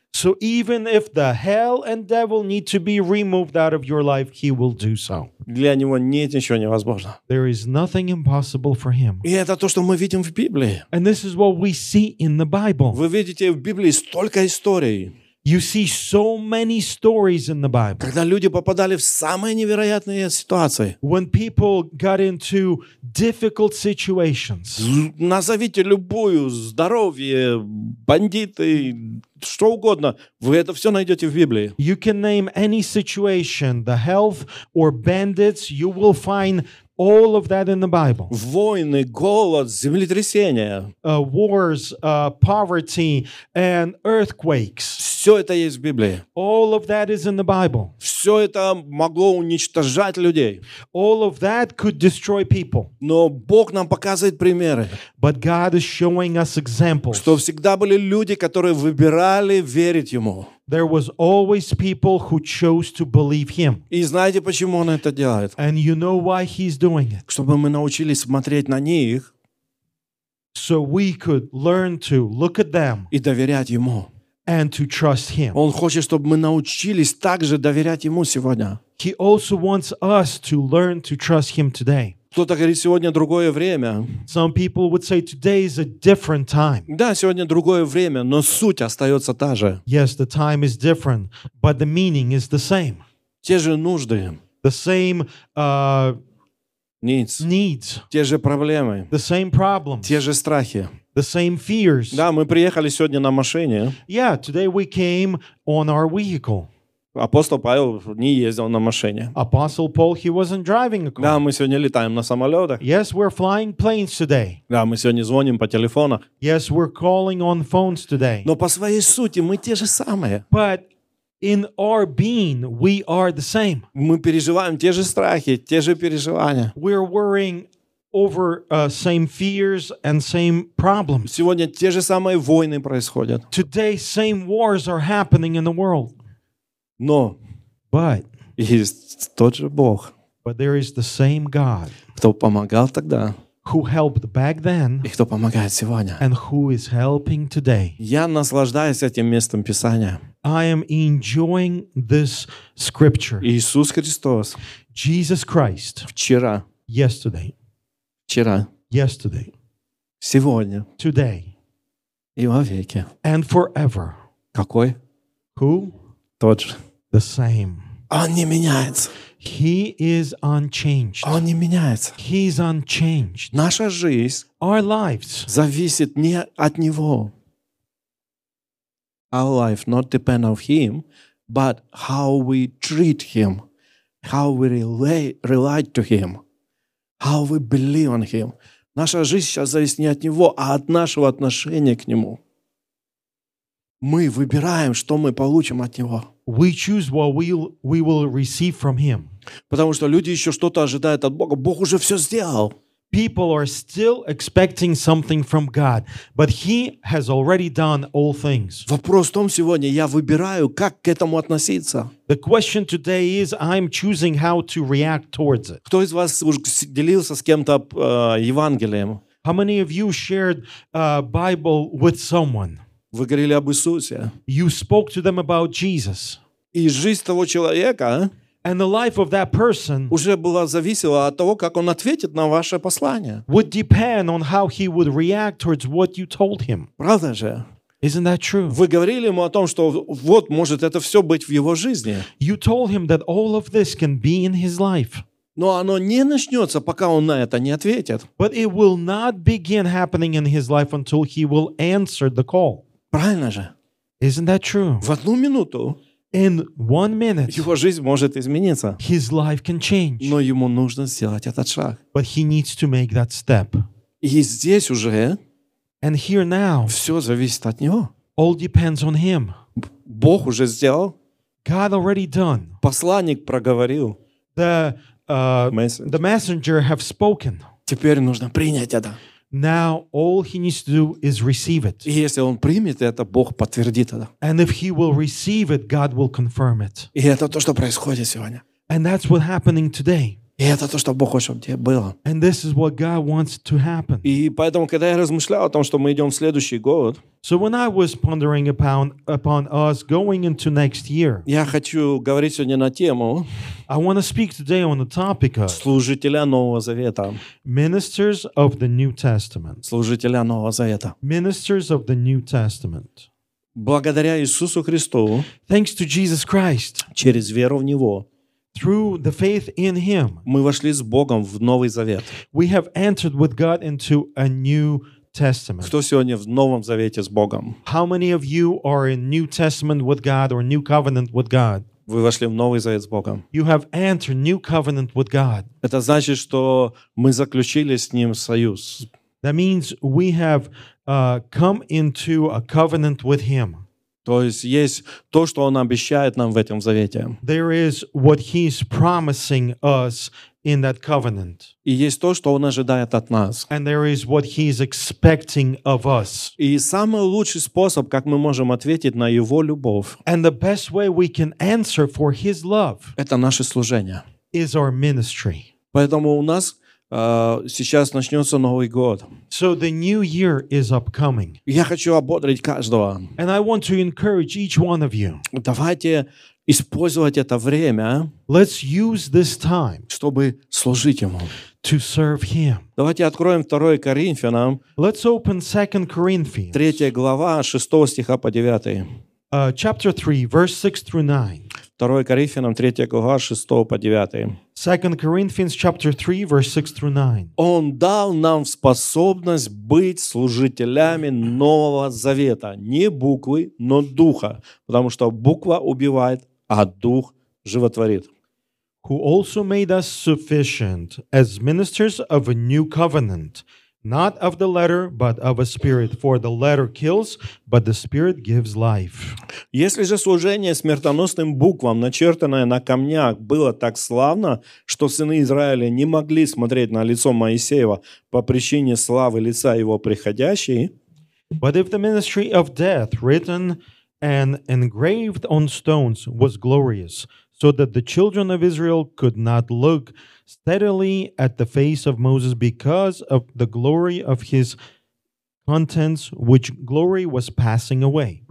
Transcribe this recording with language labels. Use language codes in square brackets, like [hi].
[en] So even if the hell and devil need to be removed out of your life, he will do so. [ru] Для него нет ничего невозможно. [en] There is nothing impossible for him. [ru] И это то, что мы видим в Библии. [en] And this is what we see in the Bible. [ru] Вы видите в Библии столько историй. [en] You see so many stories in the Bible. [ru] Когда люди попадали в самые невероятные ситуации. [en] When people got into difficult situations. [ru] Назовите любую, здоровье, бандиты, что угодно, вы это все найдете в Библии. [en] You can name any situation, the health or bandits, you will find all of that in the Bible. [ru] Войны, голод, землетрясения. [en] Wars, poverty and earthquakes. [ru] Все это есть в Библии. [en] All of that is in the Bible. [ru] Все это могло уничтожать людей. [en] All of that could destroy people. [ru] Но Бог нам показывает примеры. [en] But God is showing us examples. [ru] Что всегда были люди, которые выбирали верить Ему. [en] There was always people who chose to believe him. [ru] И знаете, почему он это делает? [en] And you know why he's doing it. [ru] Чтобы мы научились смотреть на них. [en] So we could learn to look at them. [ru] И доверять ему. [en] And to trust him. [ru] Он хочет, чтобы мы научились также доверять ему сегодня. [en] He also wants us to learn to trust him today. [ru] Кто-то говорит, сегодня другое время. [en] Some people would say today is a different time. [ru] Да, сегодня другое время, но суть остается та же. [en] Yes, the time is different, but the meaning is the same. [ru] Те же нужды. [en] The same needs. [ru] Те же проблемы. [en] The same problems. [ru] Те же страхи. [en] The same fears. [ru] Да, мы приехали сегодня на машине. [en] Yeah, today we came on our vehicle. [ru] Апостол Павел не ездил на машине. [en] Apostle Paul, he wasn't driving a car. [ru] Да, мы сегодня летаем на самолетах. [en] Yes, we're flying planes today. [ru] Да, мы сегодня звоним по телефону. [en] Yes, we're calling on phones today. [ru] Но по своей сути мы те же самые. [en] But in our being, we are the same. [ru] Мы переживаем те же страхи, те же переживания. [en] We're worrying over same fears and same problems. [ru] Сегодня те же самые войны происходят. [en] Today, same wars are happening in the world. [ru] Но [en] but, [ru] есть тот же Бог, [en] but there is the same God, [ru] кто помогал тогда, [en] who helped back then, [ru] и кто помогает сегодня. [en] And who is helping today. [ru] Я наслаждаюсь этим местом Писания. [en] I am enjoying this scripture. [ru] Иисус Христос. [en] Jesus Christ. [ru] Вчера. [en] Yesterday. [ru] Вчера. [en] Yesterday. [ru] Сегодня. [en] Today. [ru] И вовеки. [en] And forever. [ru] Какой? [en] Who? [ru] Тот же. [en] The same. [ru] Он не меняется. [en] He is unchanged. [ru] Он не меняется. [en] He is unchanged. [ru] Наша жизнь, [en] our lives, [ru] зависит не от него. [en] Our life not depend on him, but how we treat him, how we relate to him, how we believe on him. [ru] Наша жизнь сейчас зависит не от него, а от нашего отношения к нему. Мы выбираем, что мы получим от него. [en] We choose what we will receive from him. [ru] Потому что люди еще что-то ожидают от Бога. Бог уже все сделал. [en] People are still expecting something from God, but he has already done all things. [ru] Вопрос в том сегодня, я выбираю, как к этому относиться. [en] The question today is, I'm choosing how to react towards it. [ru] Кто из вас уже делился с кем-то Евангелием? [en] How many of you shared Bible with someone? [ru] Вы говорили об Иисусе. [en] You spoke to them about Jesus. [ru] И жизнь того человека, [en] and the life of that person [ru] уже была зависела от того, как он ответит на ваше послание. [en] Would depend on how he would react towards what you told him. [ru] Правда же? [en] Isn't that true? [ru] Вы говорили ему о том, что вот может это все быть в его жизни. [en] You told him that all of this can be in his life. [ru] Но оно не начнется, пока он на это не ответит. [en] But it will not begin happening in his life until he will answer the call. [ru] Правильно же? [en] Isn't that true? [ru] В одну минуту [en] in one minute, [ru] его жизнь может измениться. [en] His life can change. [ru] Но ему нужно сделать этот шаг. [en] But he needs to make that step. [ru] И здесь уже [en] and here now, [ru] все зависит от него. [en] All depends on him. [ru] Бог уже сделал. [en] God already done. [ru] Посланник проговорил. [en] The messenger have spoken. [ru] Теперь нужно принять это. [en] Now all he needs to do is receive it. [ru] И если он примет это, Бог подтвердит это. [en] And if he will receive it, God will confirm it. [ru] И это то, что происходит сегодня. [en] And that's what's happening today. [ru] И это то, что Бог хочет, чтобы тебе было. [en] And this is what God wants to happen. [ru] И поэтому, когда я размышлял о том, что мы идем в следующий год, [en] so when I was pondering upon us going into next year, [ru] я хочу говорить сегодня на тему, [en] I want to speak today on the topic of [ru] служителя Нового Завета, [en] ministers of the New Testament, [ru] служителя Нового Завета, [en] ministers of the New Testament. [ru] Благодаря Иисусу Христу, [en] thanks to Jesus Christ, [ru] через веру в Него, [en] through the faith in Him, [ru] мы вошли с Богом в Новый Завет. [en] We have entered with God into a New Testament. [ru] Кто сегодня в Новом Завете с Богом? [en] How many of you are in New Testament with God or New Covenant with God? [ru] Вы вошли в Новый Завет с Богом. [en] You have entered New Covenant with God. [ru] Это значит, что мы заключили с Ним союз. [en] That means we have come into a covenant with Him. [ru] То есть то, что Он обещает нам в этом завете. [en] There is what He's promising us in that covenant. [ru] И есть то, что Он ожидает от нас. [en] And there is what He's expecting of us. [ru] И самый лучший способ, как мы можем ответить на Его любовь. [en] And the best way we can answer for His love. [ru] Это наше служение. [en] Is our ministry. [ru] Поэтому у нас сейчас начнется Новый год. [en] So the new year is upcoming. [ru] Я хочу ободрить каждого. [en] And I want to encourage each one of you. [ru] Давайте использовать это время. [en] Let's use this time. [ru] Чтобы служить Ему. [en] To serve Him. [ru] Давайте откроем 2 Коринфянам. [en] Let's open 2 Corinthians. [ru] 3 глава, 6 стиха по 9. [en] Chapter 3, verse 6 through 9. [ru] 2 Коринфянам 3 глава 6 по 9. [en] 2 Corinthians chapter 3 verse 6 through 9. [ru] Он дал нам способность быть служителями Нового Завета, не буквы, но духа, потому что буква убивает, а дух животворит. [en] Who also made us sufficient as ministers of a new covenant, not of the letter, but of a spirit. For the letter kills, but the spirit gives life. [ru] Если же служение смертоносным буквам, начертанное на камнях, было так славно, что сыны Израиля не могли смотреть на лицо Моисеева по причине славы лица его приходящей, [en] but if the ministry of death, written and engraved on stones, was glorious, so that the children of Israel could not look steadily at the face of Moses because of the glory of his contents, which glory was passing away.